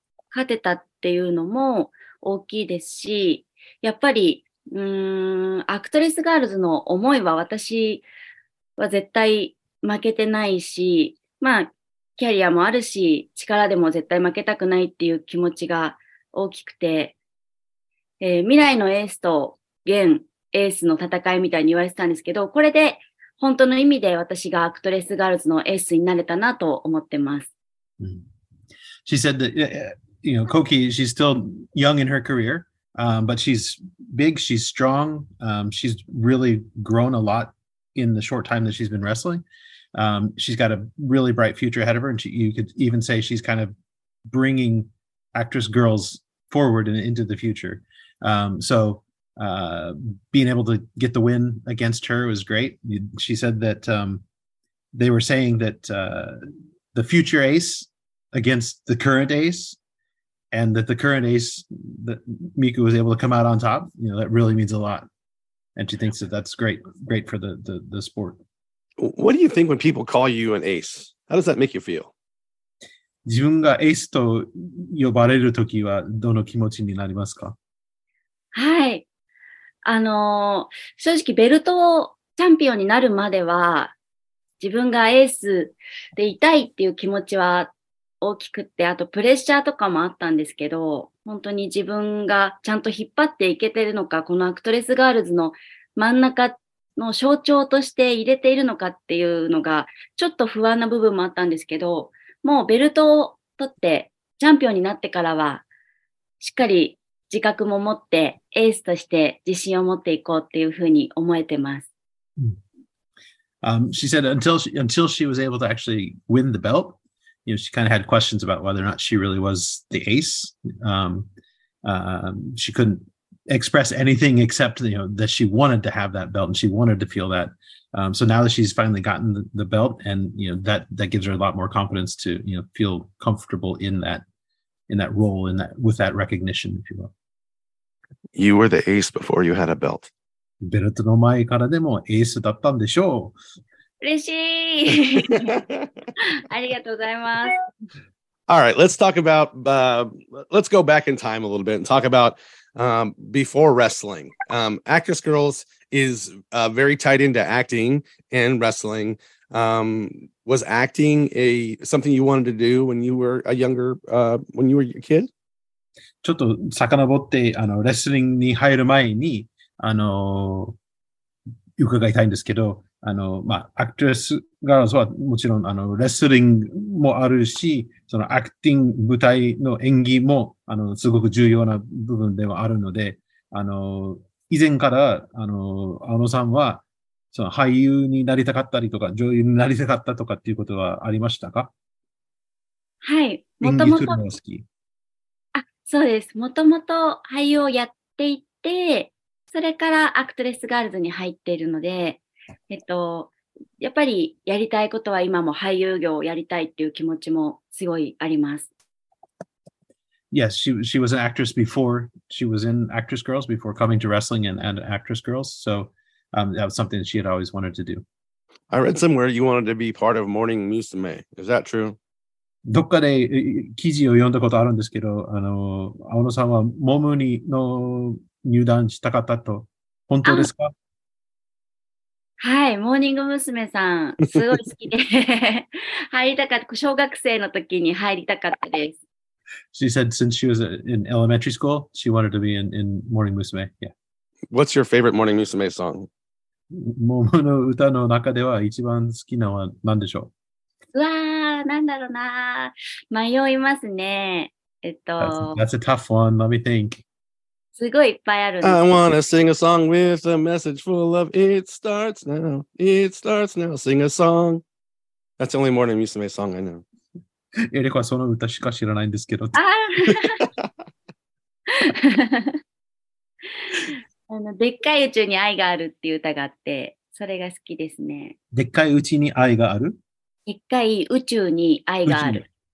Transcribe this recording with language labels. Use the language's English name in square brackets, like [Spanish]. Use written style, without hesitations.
[Japanese] 勝てたっていうのも大きいですし、やっぱり、アクトレスガールズの思いは私は絶対負けてないし、まあ、キャリアもあるし、力でも絶対負けたくないっていう気持ちが大きくて、未来のエースと現エースの戦いみたいに言われてたんですけど、これで本当の意味で私がアクトレスガールズのエースになれたなと思ってます。 [English] She said that, you know, Koki, she's still young in her career, but she's big, she's strong, she's really grown a lot in the short time that she's been wrestling. She's got a really bright future ahead of her, and she, you could even say she's kind of bringing Actwres girls forward and into the future. So being able to get the win against her was great. She said that they were saying that the future ace against the current ace, and that the current ace, that Miku was able to come out on top, you know, that really means a lot. And she thinks that that's great, great for the sport. What do you think when people call you an ace? How does that make you feel? [Japanese] 自分がエースと呼ばれるときはどの気持ちになりますか？はい。正直ベルトチャンピオンになるまでは自分がエースでいたいっていう気持ちは大きくって、あとプレッシャーとかもあったんですけど、本当に自分がちゃんと引っ張っていけてるのか、このアクトレスガールズの真ん中っての象徴として入れているのかっていうのがちょっと不安な部分もあったんですけど、もうベルトを取ってチャンピオンになってからはしっかり自覚も持ってエースとして自信を持っていこうっていうふうに思えてます。 [English] She said until she was able to actually win the belt, you know, she kind of had questions about whether or not she really was the ace. She couldn'tExpress anything except, you know, that she wanted to have that belt and she wanted to feel that. So now that she's finally gotten the belt, and you know, that gives her a lot more confidence to, you know, feel comfortable in that role, in that, with that recognition, if you will. You were the ace before you had a belt. [Japanese] ベルトの前からでもエースだったんでしょう。嬉しい。ありがとうございます。 [English] All right, let's talk about, let's go back in time a little bit and talk about. Before wrestling, Actwres Girls is very tied into acting and wrestling. Was acting something you wanted to do when you were when you were a kid? [Japanese] ちょっと遡って、レスリングに入る前に、伺いたいんですけど、まあ、Actwres Girls はもちろん、レスリングもあるし、そのアクティング舞台の演技も、すごく重要な部分ではあるので、以前から、青野さんは、その俳優になりたかったりとか、女優になりたかったとかっていうことはありましたか？はい、もともと。演技するのが好き。あ、そうです。もともと俳優をやっていて、それからアクトレスガールズに入っているので、やっぱりやりたいことは今も俳優業をやりたいっていう気持ちもすごいあります。 [English] Yes, she was an actress before. She was in Actwres Girls before coming to wrestling and Actwres Girls. So that was something that she had always wanted to do. I read somewhere you wanted to be part of Morning Musume. Is that true? [Japanese] どっかで記事を読んだことあるんですけど、青野さんはモムにの入団したかったと。本当ですか？はい、モーニング娘さんすごい好きで入りたかった、小学生の時に入りたかったです。 [English] She said since she was in elementary school, she wanted to be in Morning Musume. Yeah. What's your favorite Morning Musume song? [Japanese] モモの歌の中では一番好きなのは何でしょう？うわあ、なんだろうな、迷いますね。 [English] That's a tough one. Let me think. [Japanese] すごいいっぱいあるんです [English] 。 I wanna sing a song with a message full of It starts now, it starts now, sing a song. That's the only morning music song I know. [Japanese] エレコはその歌しか知らないんですけど。あのでっかい宇宙に愛があるっていう歌があって、それが好きですね。でっかい宇宙に愛がある？でっかい宇宙に愛がある。